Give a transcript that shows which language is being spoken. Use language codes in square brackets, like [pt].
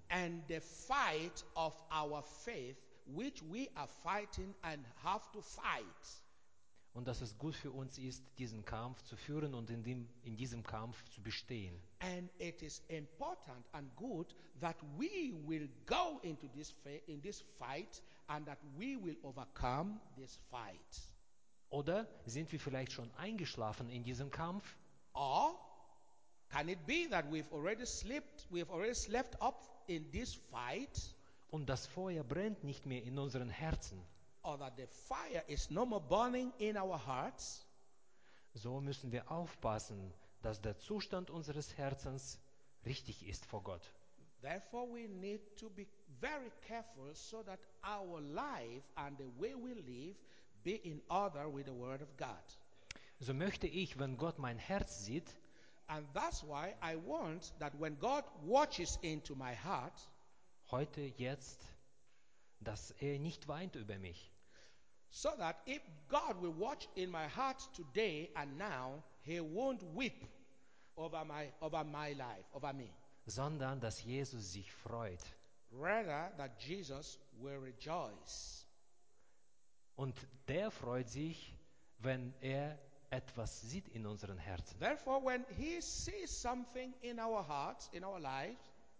[en] And the fight of our faith, which we are fighting and have to fight. [de] Und dass es gut für uns ist, diesen Kampf zu führen und in diesem Kampf zu bestehen. [en] And it is important and good that we will go into this fight and that we will overcome this fight. [de] Oder sind wir vielleicht schon eingeschlafen in diesem Kampf? [en] Or can it be that we've already slept up in this fight? [de] Und das Feuer brennt nicht mehr in unseren Herzen. [en] Or that the fire is no more burning in our hearts. [de] So müssen wir aufpassen, dass der Zustand unseres Herzens richtig ist vor Gott. [en] Therefore we need to be very careful so that our life and the way we live be in order with the word of God. [de] So möchte ich, wenn Gott mein Herz sieht, [en] and that's why I want that when God watches into my heart, [de] heute, jetzt, dass er nicht weint über mich. [en] So that if God will watch in my heart today and now, he won't weep over my life, over me. [de] Sondern, dass Jesus sich freut. [en] Rather, that Jesus will rejoice. [de] Und der freut sich, wenn er etwas sieht in unseren Herzen. [en] Therefore, when he sees something in our hearts, in our lives,